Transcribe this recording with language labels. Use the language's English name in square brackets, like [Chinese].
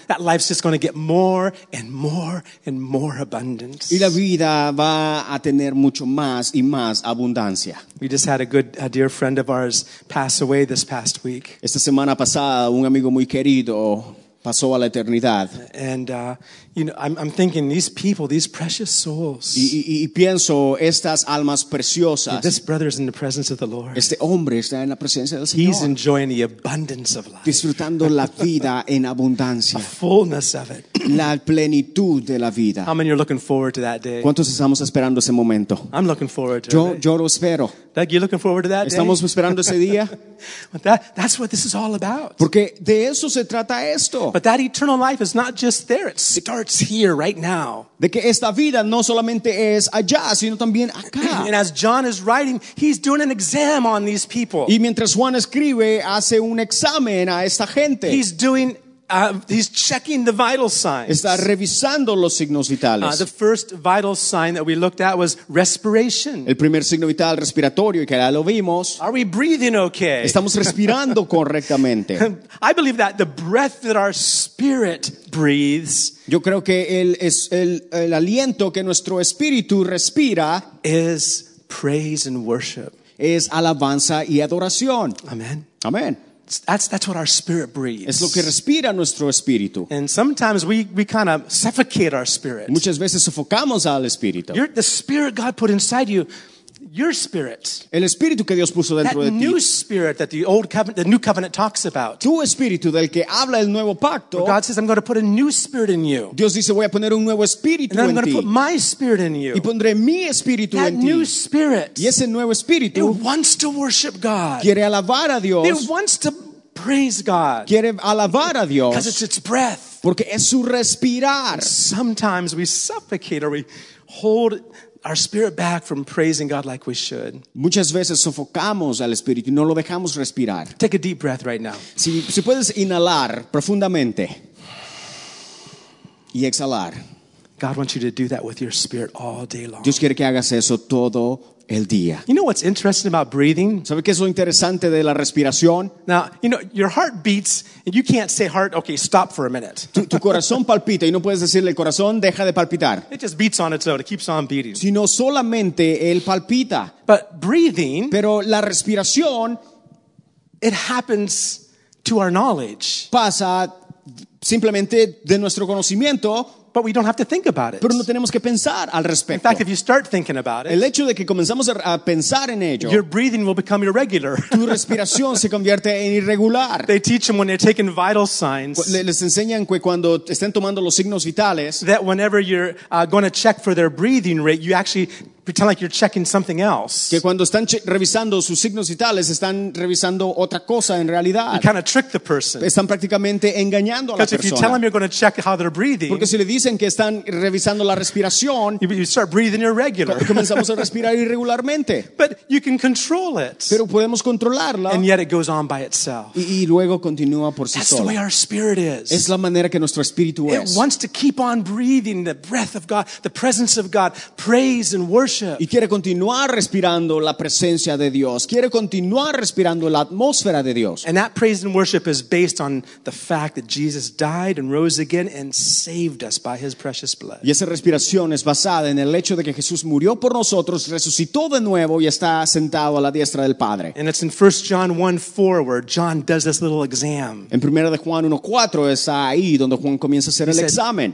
[English] That life's just going to get more and more and more abundance. [Spanish] Y la vida va a tener mucho más y más abundancia. [English] We just had a dear friend of ours pass away this past week. [Spanish] Esta semana pasada, un amigo muy querido pasó a la eternidad. [English] And I'm thinking these people, these precious souls. [Spanish] Y pienso estas almas preciosas. [English] This brother is in the presence of the Lord. [Spanish] Este hombre está en la presencia del Señor. [English] He's enjoying the abundance of life. [Spanish] Disfrutando la vida en abundancia. [English] The fullness of it. [Spanish] La plenitud de la vida. [English] How many are looking forward to that day? [Spanish] ¿Cuántos estamos esperando ese momento? [English] I'm looking forward to it. [Spanish] Yo lo espero. [English] Doug, you're looking forward to that day? [Spanish] Estamos esperando ese día. [English] But that's what this is all about. [Spanish] Porque de eso se trata esto. [English] But that eternal life is not just there. It starts here right now. [Spanish] De que esta vida no solamente es allá, sino también acá. [English] And as John is writing, he's doing an exam on these people. [Spanish] Y mientras Juan escribe, hace un examen a esta gente. [English] He's doing He's checking the vital signs. [Spanish] Está revisando los signos vitales. [English] The first vital sign that we looked at was respiration. [Spanish] El primer signo vital respiratorio y que ya lo vimos. [English] Are we breathing okay? [Spanish] Estamos respirando correctamente. [English] I believe that the breath that our spirit breathes. [Spanish] Yo creo que el aliento que nuestro espíritu respira [English] is praise and worship. [Spanish] Es alabanza y adoración. [English] Amen. [Spanish] Amen. [English] That's what our spirit breathes. [Spanish] Es lo que respira nuestro espíritu. [English] And sometimes we kind of suffocate our spirit. [Spanish] Muchas veces sofocamos al espíritu. [English] You're the spirit God put inside you. Your spirit. [Spanish] El espíritu que Dios puso dentro [English] that [Spanish] de ti. [English] New spirit that the new covenant talks about. [Spanish] Tu espíritu del que habla el nuevo pacto. [English] Where God says, I'm going to put a new spirit in you. [Spanish] Dios dice, voy a poner un nuevo espíritu [English] and [Spanish] en [English] I'm going [Spanish] ti. [English] To put my spirit in you. [Spanish] Y pondré mi espíritu [English] that [Spanish] en [English] new [Spanish] ti. [English] Spirit. [Spanish] Y ese nuevo espíritu. [English] It wants to worship God. [Spanish] Quiere alabar a Dios. [English] It wants to praise God. [Spanish] Quiere alabar a Dios. [English] Because it's its breath. [Spanish] Porque es su respirar. [English] And sometimes we suffocate or we hold our spirit back from praising God like we should. [Spanish] Muchas veces sofocamos al espíritu y no lo dejamos respirar. [English] Take a deep breath right now. [Spanish] Si puedes inhalar profundamente y exhalar. [English] God wants you to do that with your spirit all day long. [Spanish] Dios quiere que hagas eso todo el día. [English] You know what's interesting about breathing? [Spanish] ¿Sabe qué es lo interesante de la respiración? [English] Now, you know, your heart beats and you can't say heart, okay, stop for a minute. [Spanish] Tu corazón palpita y no puedes decirle el corazón deja de palpitar. [English] It just beats on its own, it keeps on beating. [Spanish] Sino solamente él palpita. [English] But breathing, [Spanish] pero la respiración, [English] it happens to our knowledge. [Spanish] Pasa simplemente de nuestro conocimiento. [English] But we don't have to think about it. [Spanish] Pero no tenemos que pensar al respecto. [English] In fact, if you start thinking about it, [Spanish] el hecho de que comenzamos a pensar en ello, [English] your breathing will become irregular. [Spanish] Tu respiración se convierte en irregular. [English] They teach them when they're taking vital signs. [Spanish] Les enseñan que cuando estén tomando los signos vitales, [English] that whenever you're going to check for their breathing rate, you actually pretend like you're checking something else. [Spanish] Que cuando están revisando sus signos vitales, están revisando otra cosa en realidad. [English] You kind of trick the person. [Spanish] Están prácticamente engañando a la persona. [English] Because if you tell them you're going to check how they're breathing, [Spanish] porque si le dicen que están revisando la respiración, [English] you start breathing irregular. [Spanish] Comenzamos a respirar irregularmente. [English] But you can control it. [Spanish] Pero podemos controlarlo. [English] And yet it goes on by itself. [Spanish] Y luego continúa por sí solo. [English] That's the way our spirit is. [Spanish] Es la manera que nuestro espíritu es. [English] It wants to keep on breathing the breath of God, the presence of God, praise and worship. [Spanish] Y quiere continuar respirando la presencia de Dios. Quiere continuar respirando la atmósfera de Dios. [English] And that praise and worship is based on the fact that Jesus died and rose again and saved us by his precious blood. [Spanish] Y esa respiración es basada en el hecho de que Jesús murió por nosotros, resucitó de nuevo y está sentado a la diestra del Padre. [English] And it's in 1 John 1:4 where John does this little exam. [Spanish] En 1 Juan 1:4 es ahí donde Juan comienza a hacer el examen.